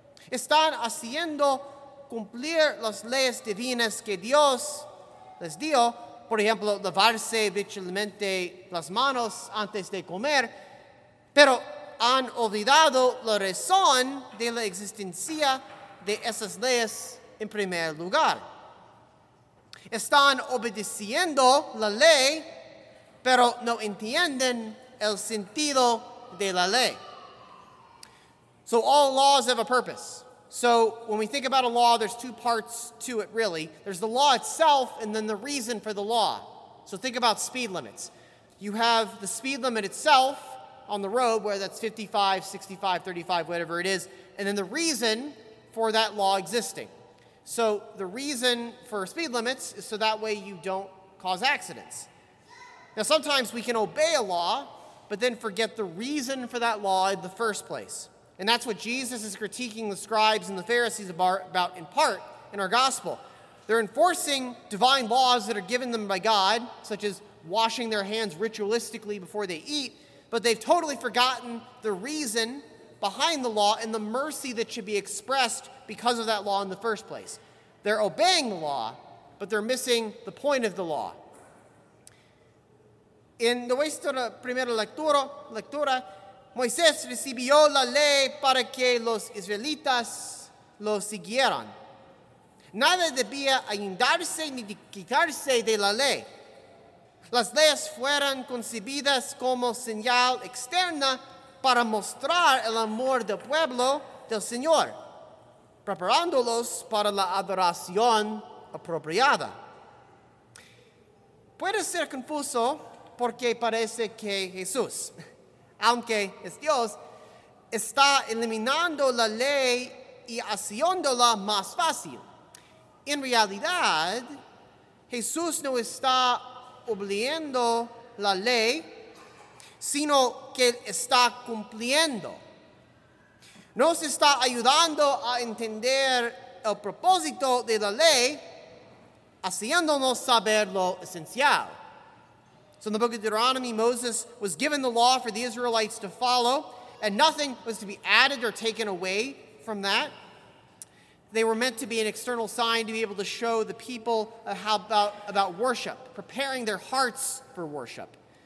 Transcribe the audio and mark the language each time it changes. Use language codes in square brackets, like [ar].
[es] Están haciendo cumplir las leyes divinas que Dios les dio, por ejemplo, lavarse virtualmente las manos antes de comer, pero han olvidado la razón de la existencia de esas leyes en primer lugar. Están obedeciendo la ley, pero no entienden el sentido de la ley. [en] So all laws have a purpose. So when we think about a law, there's two parts to it, really. There's the law itself and then the reason for the law. So think about speed limits. You have the speed limit itself on the road, where that's 55, 65, 35, whatever it is, and then the reason for that law existing. So the reason for speed limits is so that way you don't cause accidents. Now, sometimes we can obey a law, but then forget the reason for that law in the first place. And that's what Jesus is critiquing the scribes and the Pharisees about in part in our gospel. They're enforcing divine laws that are given them by God, such as washing their hands ritualistically before they eat, but they've totally forgotten the reason behind the law and the mercy that should be expressed because of that law in the first place. They're obeying the law, but they're missing the point of the law. [es] En nuestra primera lectura, Moisés recibió la ley para que los israelitas lo siguieran. Nada debía añadirse ni quitarse de la ley. Las leyes fueron concebidas como señal externa para mostrar el amor del pueblo del Señor, preparándolos para la adoración apropiada. Puede ser confuso porque parece que Jesús, aunque es Dios, está eliminando la ley y haciéndola más fácil. En realidad, Jesús no está obliendo la ley, sino que está cumpliendo. Nos está ayudando a entender el propósito de la ley, haciéndonos saber lo esencial. [en] So in the book of Deuteronomy, Moses was given the law for the Israelites to follow, and nothing was to be added or taken away from that. They were meant to be an external sign to be able to show the people about worship, preparing their hearts for worship.